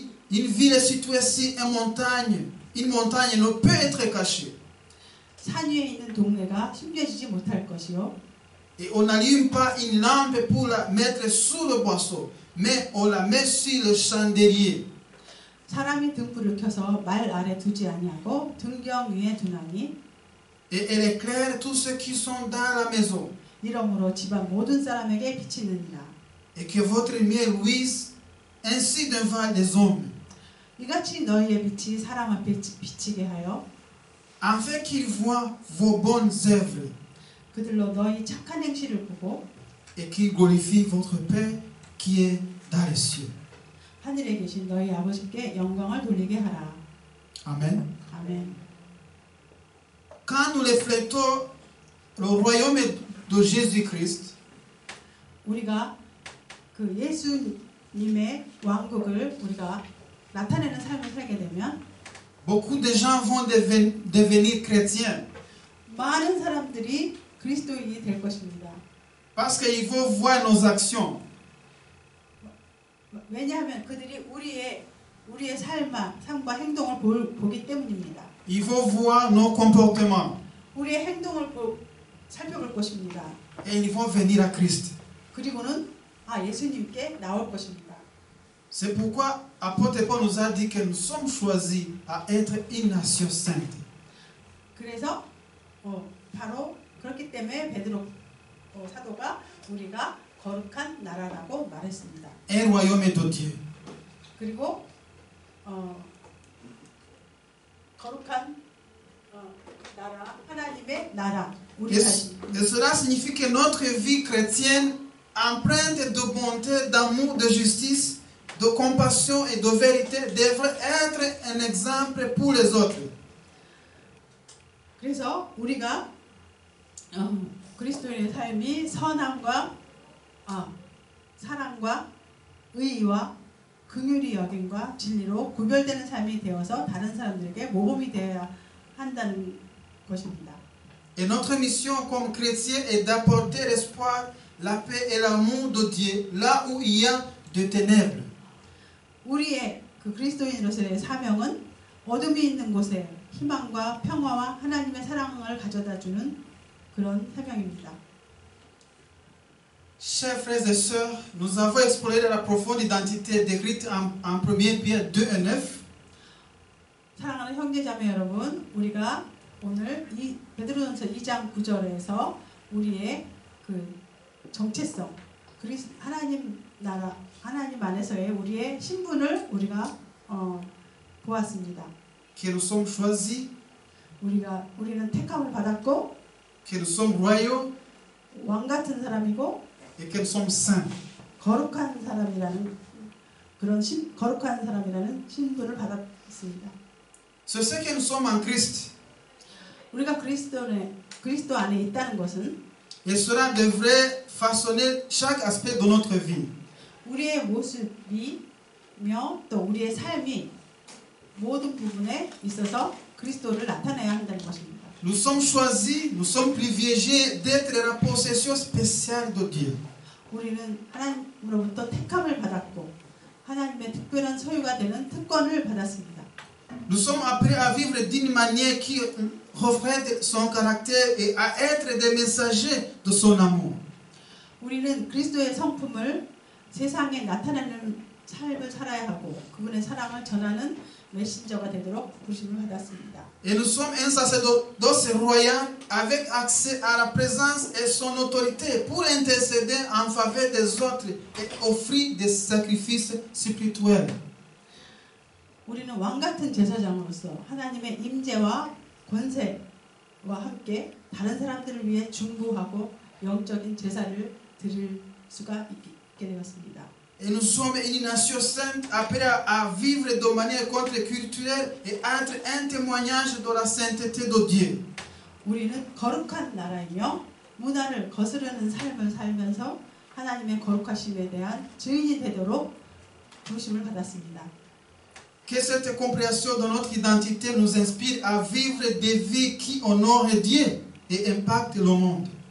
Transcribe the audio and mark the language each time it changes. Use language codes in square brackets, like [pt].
[fr] Une ville située sur une montagne ne peut être cachée. [ko] 산 위에 있는 동네가 숨겨지지 못할 것이요. [fr] Et on n'allume pas une lampe pour la mettre sous le boisseau, mais on la met sur le chandelier. [ko] 사람이 등불을 켜서 말 아래 두지 아니하고 등경 위에 두나니. [fr] Et elle éclaire tous ceux qui sont dans la maison. [ko] 이러므로 집안 모든 사람에게 비치느니라. [fr] Et que votre lumière luise ainsi devant les hommes. [ko] 이같이 너희의 빛이 사람 앞에 비치게 하여. [fr] Afin qu'ils voient vos bonnes œuvres. [ko] 그들로 너희 착한 행실을 보고. [fr] Et qu'ils glorifient votre Père qui est dans les cieux. [ko] 하늘에 계신 너희 아버지께 영광을 돌리게 하라. 아멘. 아멘. [fr] Quand nous reflétons le royaume de Jésus-Christ. [ko] 우리가 그 예수 하나님의 왕국을 우리가 나타내는 삶을 살게 되면 [fr] beaucoup de gens vont devenir chrétiens. [ko] 많은 사람들이 그리스도인이 될 것입니다. [fr] Parce qu'ils vont voir nos actions. [ko] 왜냐하면 그들이 우리의 삶과 행동을 보기 때문입니다. [fr] Ils vont voir nos comportements. [ko] 우리의 행동을 살펴볼 것입니다. [fr] Et ils vont venir à Christ. [ko] 그리고는 아 예수님께 나올 것입니다. [fr] C'est pourquoi l'apôtre Paul nous a dit que nous sommes choisis à être une nation sainte. [ko] 그래서 바로 그렇기 때문에 베드로 사도가 우리가 거룩한 나라라고 말했습니다. [fr] Un royaume de Dieu. [ko] 그리고 거룩한 나라 하나님의 나라 우리 자신. [fr] Et cela signifie que notre vie chrétienne empreinte de bonté, d'amour, de justice, de compassion et de vérité devrait être un exemple pour les autres. [ko] 그래서 우리가 그리스도인의 삶이 선함과 사랑과 의와 긍휼의 여김과 진리로 구별되는 삶이 되어서 다른 사람들에게 모범이 되어야 한다는 것입니다. [fr] Et notre mission comme chrétien est d'apporter l'espoir, la paix et l'amour de Dieu là où il y a de ténèbres. [ko] 우리의 그 그리스도인으로서의 사명은 어둠이 있는 곳에 희망과 평화와 하나님의 사랑을 가져다 주는 그런 사명입니다. [fr] Chers frères et sœurs, nous avons exploré la profonde identité décrite en 1 Pierre 2 et 9. [ko] 사랑하는 형제자매 여러분, 우리가 오늘 이 베드로전서 2장 9절에서 우리의 그 정체성, 그리스 하나님 나라 하나님 안에서의 우리의 신분을 우리가 보았습니다. [fr] Que nous sommes choisis. [ko] 우리는 택함을 받았고. [fr] Que nous sommes royaux. [ko] 왕 같은 사람이고. [fr] Et que nous sommes saints. [ko] 거룩한 사람이라는 그런 신 거룩한 사람이라는 신분을 받았습니다. [fr] So c'est que nous sommes en Christ. [ko] 우리가 그리스도 안에 있다는 것은 [fr] Et cela devrait façonner chaque aspect de notre vie. [ko] 우리의 모습이며 또 우리의 삶이 모든 부분에 있어서 그리스도를 나타내야 한다는 것입니다. [fr] Nous sommes choisis, nous sommes privilégiés d'être la possession spéciale de Dieu. [ko] 우리는 하나님으로부터 택함을 받았고 하나님의 특별한 소유가 되는 특권을 받았습니다. [fr] Nous sommes appelés à vivre d'une manière qui reflète son caractère et à être des messagers de son amour. [ko] 우리는 그리스도의 성품을 세상에 나타내는 삶을 살아야 하고 그분의 사랑을 전하는 메신저가 되도록 부르심을 받았습니다. [fr] Et nous sommes un sacerdoce royal avec accès à la présence et son autorité pour intercéder en faveur des autres et offrir des sacrifices spirituels. [ko] 우리는 왕 같은 제사장으로서 하나님의 임재와 권세와 함께 다른 사람들을 위해 중보하고 영적인 제사를 드릴 수가 있게 되었습니다. [fr] Et nous sommes une nation sainte appelée à vivre de manière contre-culturelle et être un témoignage de la sainteté de Dieu. [ko] 우리는 거룩한 나라이며 문화를 거스르는 삶을 살면서 하나님의 거룩하심에 대한 증인이 되도록 부르심을 받았습니다. [fr] Que cette compréhension de notre identité nous inspire à vivre des vies qui honorent Dieu et impactent le monde.